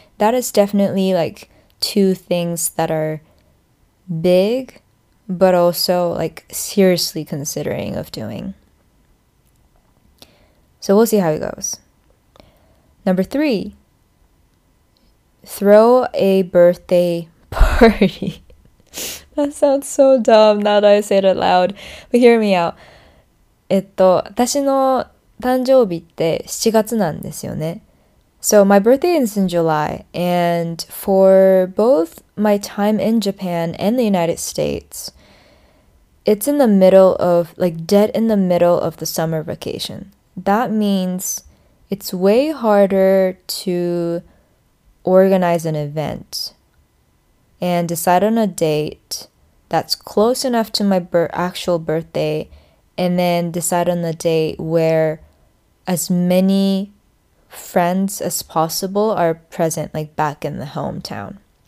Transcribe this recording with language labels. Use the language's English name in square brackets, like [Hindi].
[English] That is definitely like two things that are big, but also like seriously considering of doing. So we'll see how it goes. Number three. Throw a birthday party. That sounds so dumb now that I say it out loud. But hear me out. [Japanese] 私の誕生日って7月なんですよね。 [English] So my birthday is in July, and for both my time in Japan and the United States, it's in the middle of like dead in the middle of the summer vacation. That means it's way harder to organize an event and decide on a date that's close enough to my actual birthday, and then decide on the date where as many friends as possible are present, like back in the hometown.